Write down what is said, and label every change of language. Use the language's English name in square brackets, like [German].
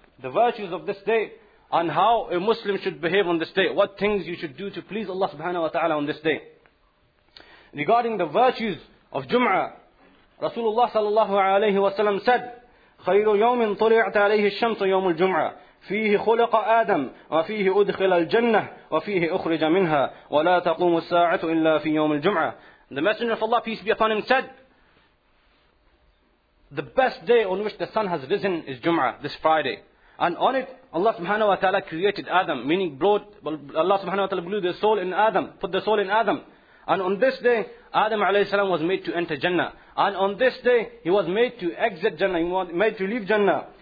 [English] The virtues of this day, and how a Muslim should behave on this day. What things you should do to please Allah subhanahu wa ta'ala on this day. Regarding the virtues of Jumu'ah, Rasulullah sallallahu alayhi wa sallam said, [Arabic] خَيْرُ يَوْمٍ طُلِعْتَ عَلَيْهِ الشَّمْسُ يَوْمُ الْجُمْعَةِ فيه خلق آدم وفيه أدخل الجنة وفيه أخرج منها ولا تقوم الساعة إلا في يوم الجمعة. [English] The Messenger of Allah, peace be upon him, said, the best day on which the sun has risen is Jum'ah, this Friday. And on it, Allah subhanahu wa ta'ala created Adam, meaning Allah subhanahu wa ta'ala blew the soul in Adam, put the soul in Adam. And on this day, Adam alayhi salam was made to enter Jannah. And on this day, he was made to exit Jannah, he was made to leave Jannah.